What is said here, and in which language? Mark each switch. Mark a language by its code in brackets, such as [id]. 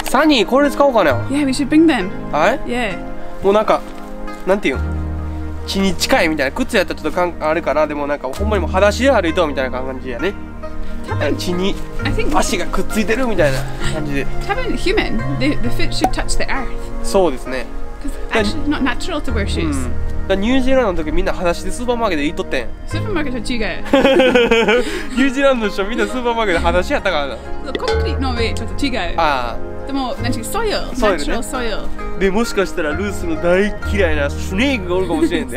[ja] サニー、これ使おうかな。 [en] Yeah, we should bring them. [ja] はい、 [en] yeah. [ja] もうなんか、なんていうの、血に近いみたいな。靴やったらちょっとかんあるかな。でもなんかほんまにもう裸足で歩いとうみたいな感じやね。多分血に足がくっついてるみたいな感じで。多分 [en] human, the foot should touch the earth. [ja] そうですね。 [en] Because actually not natural to wear shoes、うん。 [ja] ニュージーランドの時みんな裸足でスーパーマーケット行っとってん。スーパーマーケットは違う。ニュージーランドの人みんなスーパーマーケット裸足やったからな。コンクリートの上ちょっと違う。ああ。でも何ていうソイル、ナチュラルソイル。でもしかしたらルースの大嫌いなスネークがおるかもしれんで、